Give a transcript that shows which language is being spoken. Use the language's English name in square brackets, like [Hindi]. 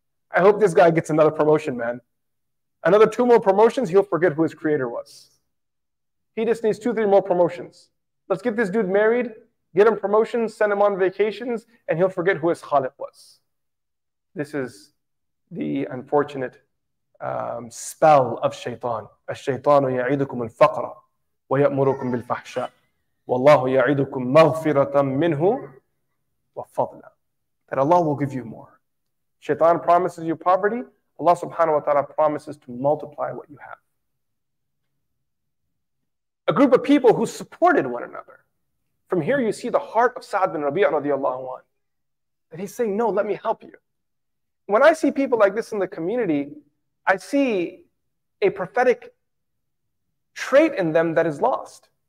[English] I hope this guy gets another promotion, man. Another two more promotions, he'll forget who his creator was. He just needs 2-3 more promotions. Let's get this dude married, get him promotions, send him on vacations, and he'll forget who his khaliq was. This is the unfortunate spell of shaitan. [Arabic] الشيطان يعيدكم الفقر ويأمركم بالفحشاء والله يعيدكم مغفرة منه وفضلا. [English] That Allah will give you more. Shaitan promises you poverty. Allah subhanahu wa ta'ala promises to multiply what you have. A group of people who supported one another. From here you see the heart of Sa'd bin Rabi'ah radiallahu anhu. That he's saying, no, let me help you. When I see people like this in the community, I see a prophetic trait in them that is lost.